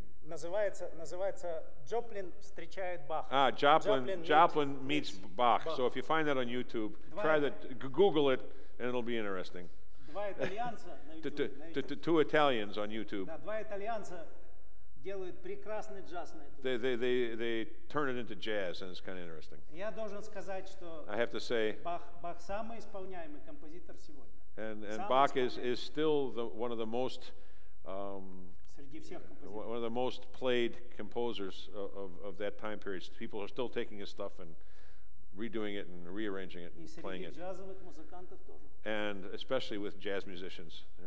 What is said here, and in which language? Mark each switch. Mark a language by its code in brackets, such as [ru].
[ru] называется Джоплин встречает Баха. [en] Joplin meets Bach. So if you find that on YouTube, Google it, and it'll be interesting. [ru] Два итальянца на YouTube. [en] Two Italians on YouTube. [ru] Да, два итальянца делают прекрасный джаз на YouTube. [en] They turn it into jazz, and it's kind of interesting. [ru] Я должен сказать, что [en] I have to say [ru] Бах самый исполняемый композитор сегодня. [en] And Bach is still one of the most one of the most played composers of that time period. People are still taking his stuff and redoing it and rearranging it and playing it. And especially with jazz musicians.